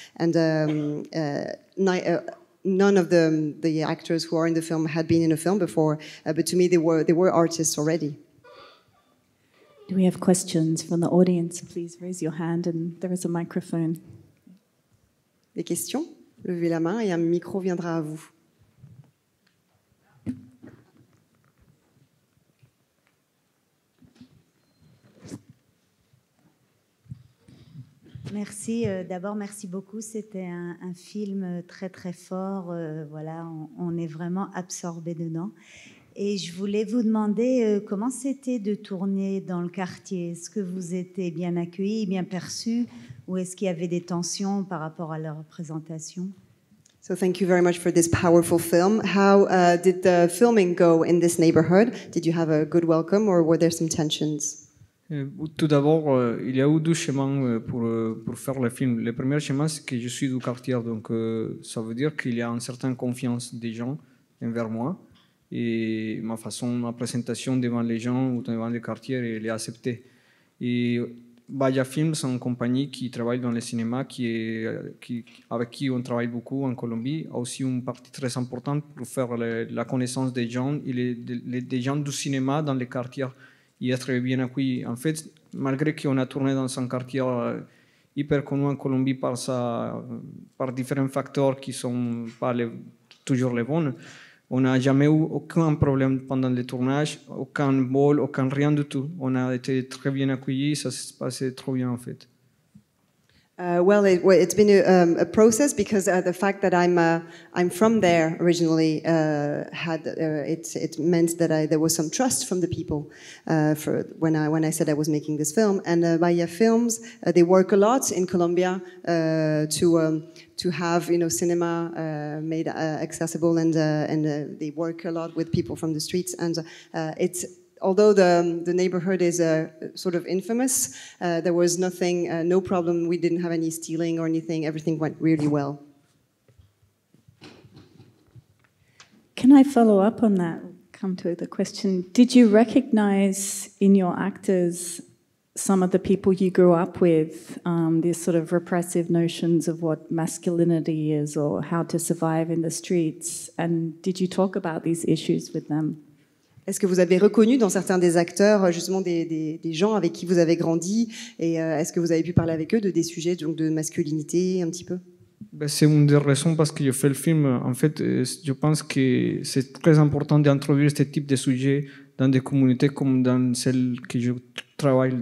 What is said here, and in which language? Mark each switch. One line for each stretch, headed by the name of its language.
English: And none of the actors who are in the film had been in a film before, but to me they were artists already. Do we have questions from the audience? Please raise your hand and there is a microphone.
French: Des questions? Levez la main et un micro viendra à vous. Merci. D'abord, merci beaucoup. C'était un film très, très fort. Voilà, on est vraiment absorbé dedans. Et je voulais vous demander comment c'était de tourner dans le quartier. Est-ce que vous étiez bien accueillis, bien perçus, ou est-ce qu'il y avait des tensions par rapport à la représentation?
English: So thank you very much for this powerful film. How did the filming go in this neighborhood? Did you have a good welcome or were there some tensions?
French: Tout d'abord, il y a eu deux chemins pour faire le film. Le premier chemin, c'est que je suis du quartier, donc ça veut dire qu'il y a une certaine confiance des gens envers moi. Et ma façon, ma présentation devant les gens ou devant le quartier, elle est acceptée. Et Baya Films, c'est une compagnie qui travaille dans le cinéma, avec qui on travaille beaucoup en Colombie, a aussi une partie très importante pour faire la connaissance des gens et des gens du cinéma dans les quartiers. Et être bien accueilli. En fait, malgré qu'on a tourné dans un quartier hyper connu en Colombie par différents facteurs qui ne sont pas toujours les bons, on n'a jamais eu aucun problème pendant le tournage, aucun bol, aucun rien du tout. On a été très bien accueillis, ça s'est passé trop bien en fait.
English: Well, it's been a process because the fact that I'm from there originally it meant that there was some trust from the people for when I said I was making this film. And Maya Films, they work a lot in Colombia to have, you know, cinema made accessible, and they work a lot with people from the streets, and it's. Although the neighborhood is sort of infamous, there was nothing, no problem. We didn't have any stealing or anything. Everything went really well. Can I follow up on that? Come to the question. Did you recognize in your actors some of the people you grew up with, these sort of repressive notions of what masculinity is or how to survive in the streets? And did you talk about these issues with them?
French: Est-ce que vous avez reconnu dans certains des acteurs justement des gens avec qui vous avez grandi et est-ce que vous avez pu parler avec eux de des sujets donc de masculinité un petit peu? Ben, c'est une des raisons parce que je fais le film. En fait, je pense que c'est très important d'introduire ce type de sujets dans des communautés comme dans celles que je travaille.